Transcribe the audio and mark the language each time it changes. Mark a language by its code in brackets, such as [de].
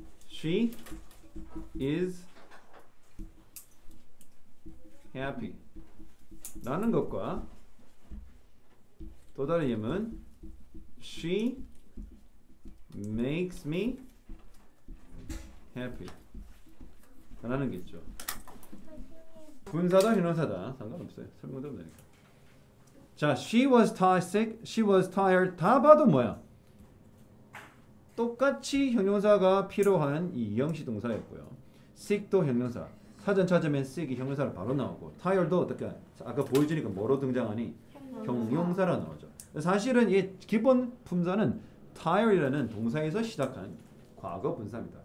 [en] She is happy [ko] 라는 것과 또 다른 예문, [en] She makes me happy [ko] 라는 게 있죠. 분사다, 형용사다 상관없어요. 설명도 하면 되니까. [en] 자, she was sick, she was tired. [ko] 다 봐도 뭐야? 똑같이 형용사가 필요한 이 형식 동사였고요. sick도 형용사. 사전 찾으면 sick이 형용사로 바로 나오고, tired도 어떻게 아까 보여주니까 뭐로 등장하니? 형용사로 나오죠. 사실은 이 기본 분사는 tired이라는 동사에서 시작한 과거 분사입니다.